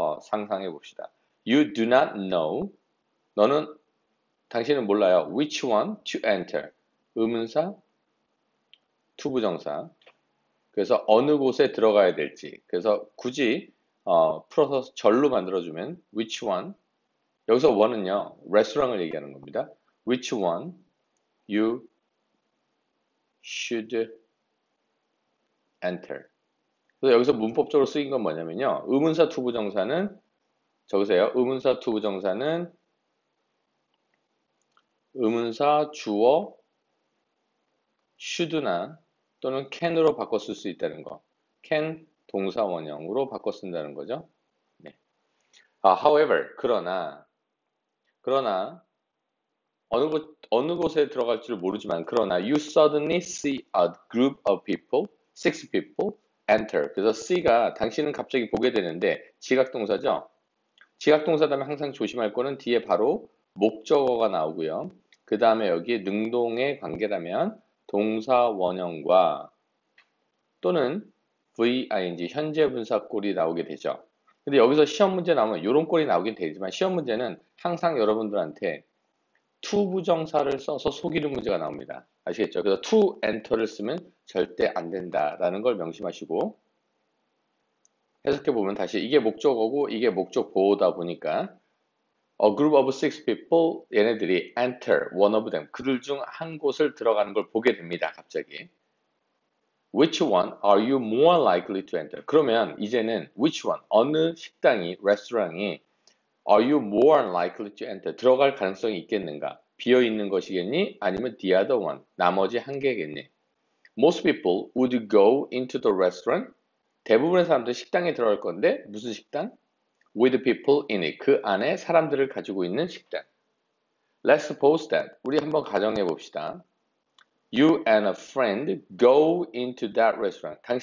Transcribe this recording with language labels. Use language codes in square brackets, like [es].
[ko] 상상해 봅시다. [en] You do not know. [ko] 너는 당신은 몰라요. [en] Which one to enter? [ko] 의문사, 투부정사. 그래서 어느 곳에 들어가야 될지. 그래서 굳이 풀어서 절로 만들어주면 [en] which one? [ko] 여기서 one은요, restaurant을 얘기하는 겁니다. [en] Which one you should enter? [ko] 그래서 여기서 문법적으로 쓰인 건 뭐냐면요. 의문사 투부정사는 적으세요. 의문사 투부정사는 의문사 주어 should나 또는 can으로 바꿔 쓸수 있다는 거. can 동사 원형으로 바꿔 쓴다는 거죠. [en] however [ko] 그러나 어느 곳에 들어갈지를 모르지만 그러나 [en] you suddenly see a group of people, six people. Enter. [ko] 그래서 C가 당신은 갑자기 보게 되는데 지각동사죠? 지각동사다면 항상 조심할 거는 뒤에 바로 목적어가 나오고요. 그 다음에 여기에 능동의 관계라면 동사 원형과 또는 VING, 현재 분사꼴이 나오게 되죠. 근데 여기서 시험 문제 나오면 이런 꼴이 나오긴 되지만 시험 문제는 항상 여러분들한테 투부정사를 써서 속이는 문제가 나옵니다. 아시겠죠? 그래서 to enter를 쓰면 절대 안 된다라는 걸 명심하시고 해석해 보면 다시 이게 목적어고 이게 목적 보호다 보니까 [en] a group of six people [ko] 얘네들이 [en] enter one of them [ko] 그들 중한 곳을 들어가는 걸 보게 됩니다. 갑자기 [en] which one are you more likely to enter? [ko] 그러면 이제는 which one 어느 식당이 레스토랑이 [en] are you more likely to enter [ko] 들어갈 가능성이 있겠는가? 비어 있는 것이겠니? 아니면 [en] the other one, [ko] 나머지 한 개겠니? [en] Most people would go into the restaurant. [ko] 대부분의 사람들 식당에 들어갈 건데, 무슨 식당? [en] With people in it. [ko] 그 안에 사람들을 가지고 있는 식당. [en] Let's suppose that. [ko] 우리 한번 가정해 봅시다. [en] You and a friend go into that restaurant.